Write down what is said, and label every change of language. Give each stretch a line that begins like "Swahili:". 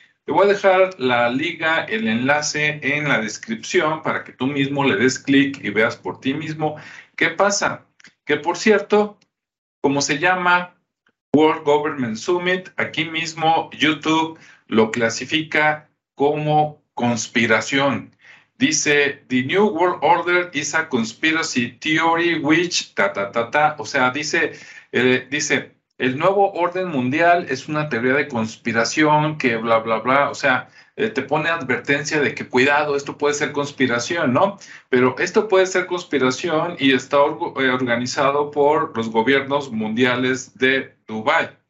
Spanish: Te voy a dejar la liga, el enlace en la descripción para que tú mismo le des clic y veas por ti mismo qué pasa. Que por cierto, como se llama World Government Summit, aquí mismo YouTube lo clasifica como conspiración. Dice:
English: "The New World Order is a conspiracy theory which ta ta ta ta".
Spanish: O sea, dice: "El nuevo orden mundial es una teoría de conspiración que bla, bla, bla". O sea, te pone advertencia de que cuidado, esto puede ser conspiración, ¿no? Pero esto puede ser conspiración y está organizado por los gobiernos mundiales de Dubái.